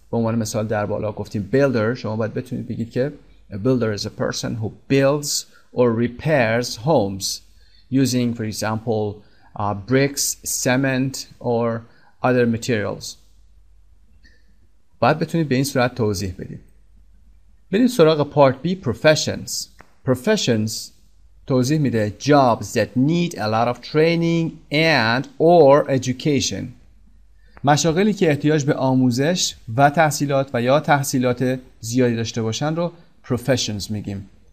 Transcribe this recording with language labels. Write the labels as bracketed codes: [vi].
[fa] به عنوان مثال در بالا گفتیم builder، شما باید بتونید بگید که [en] a builder is a person who builds or repairs homes using for example bricks, cement or other materials. [fa] باید بتونید به این صورت توضیح بدید. بریم سراغ پارت B، professions. [en] Professions [fa] توضیح میده [en] jobs that need a lot of training and or education. [fa] مشاغلی که احتیاج به آموزش و تحصیلات و یا تحصیلات زیادی داشته باشند رو professions میگیم.